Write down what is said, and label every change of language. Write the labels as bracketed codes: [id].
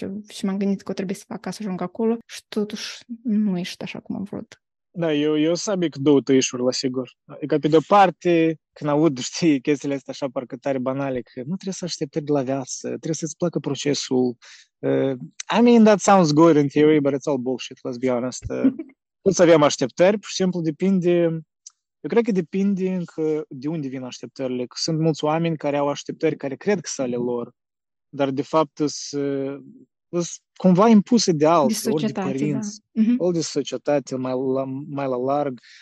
[ro] Și m-am gândit că o trebuie să fac ca să ajung acolo și totuși nu ești așa cum am vrut. Da, eu sabi că două tăișuri, la sigur. E că pe de-o parte, când aud, știi, chestiile astea așa parcă tare banale, că nu trebuie să aștepteri de la viață, trebuie să-ți placă procesul. [en] I mean, that sounds good in theory, but it's all bullshit, let's be honest. [ro] Poți să avem așteptări, pur și simplu depinde, eu cred că depinde încă de unde vin așteptările. Că sunt mulți oameni care au așteptări care cred că sunt ale lor, dar de fapt sunt cumva impuse de alții, ori de părinți, da. Uh-huh. Ori de societate, mai la larg.